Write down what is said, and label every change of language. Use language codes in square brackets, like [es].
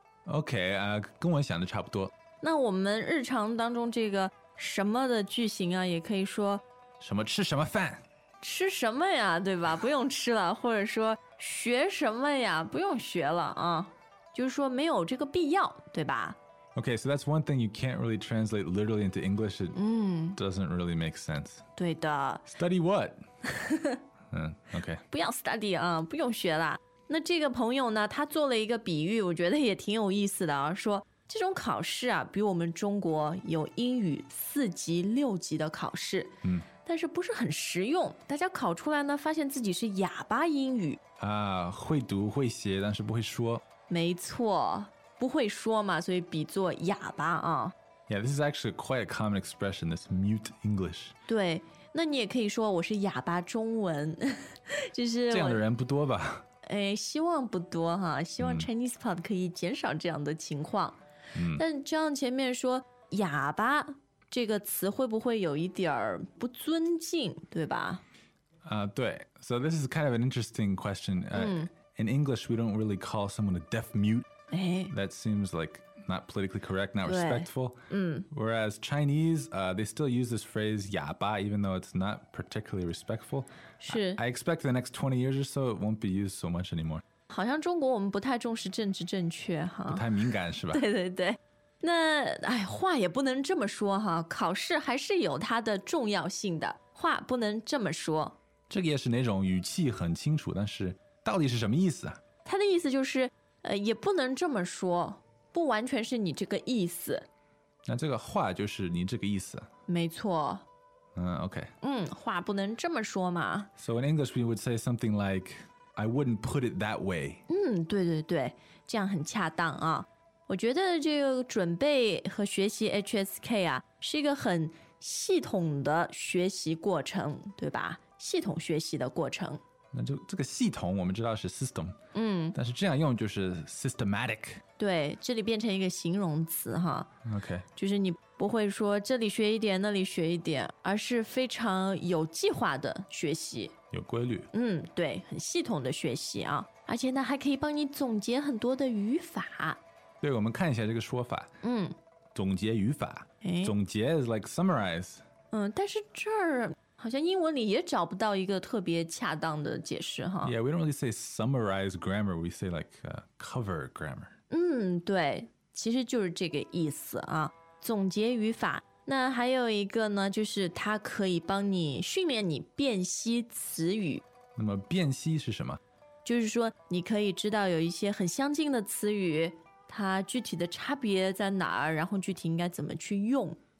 [zh] OK， 跟我想的差不多。那我们日常当中这个什么的句型啊，也可以说什么吃什么饭，吃什么呀，对吧？不用吃了，或者说学什么呀，不用学了啊，就是说没有这个必要，对吧？ [en] Okay, so that's one thing you can't really translate literally into English. It doesn't really make sense. [zh] 对的。 [en] Study what? okay. [zh] 不要 study 啊，不用学了。那这个朋友呢，他做了一个比喻，我觉得也挺有意思的啊，说这种考试啊，比我们中国有英语四级、六级的考试，但是不是很实用，大家考出来呢，发现自己是哑巴英语。啊，会读会写，但是不会说。没错，不会说嘛，所以比作哑巴啊。 [en] Yeah, this is actually quite a common expression, this mute English. [zh] 对，那你也可以说我是哑巴中文，就是这样的人不多吧。哎，希望不多哈，希望 ChinesePod 可以减少这样的情况。但这样前面说哑巴这个词会不会有一点不尊敬，对吧？对。 [en] So this is kind of an interesting question. In English, we don't really call someone a deaf mute. That seems like not politically correct, not respectful. Whereas Chinese, they still use this phrase 哑巴, even though it's not particularly respectful. [zh] 是。 [en] I expect the next 20 years or so, it won't be used so much anymore. [zh] 好像中国我们不太重视政治正确哈。不太敏感是吧？对对对。那哎，话也不能这么说哈，考试还是有它的重要性的，话不能这么说。这个也是那种语气很清楚，但是到底是什么意思啊？他的意思就是，也不能这么说。不完全是你这个意思，那这个话就是你这个意思，没错。 [en] OK， [zh] 话不能这么说嘛。 [en] So in English we would say something like I wouldn't put it that way. [zh] 对对对，这样很恰当啊。我觉得这个准备和学习 HSK 啊，是一个很系统的学习过程，对吧？系统学习的过程。那就这个系统我们知道是 system， 但是这样用就是 systematic。对，这里变成一个形容词哈。 [en] OK， [zh] 就是你不会说这里学一点那里学一点，而是非常有计划的学习，有规律。对，很系统的学习啊，而且呢还可以帮你总结很多的语法。对，我们看一下这个说法。总结语法，总结 [en] is like summarize。 [zh] 但是这儿好像英文里也找不到一个特别恰当的解释哈。 [en] Yeah, we don't really say summarize grammar, we say like cover grammar. [zh] 对，其实就是这个意思啊，总结语法。那还有一个呢，就是它可以帮你训练你辨析词语。那么辨析是什么？就是说你可以知道有一些很相近的词语，它具体的差别在哪儿，然后具体应该怎么去用。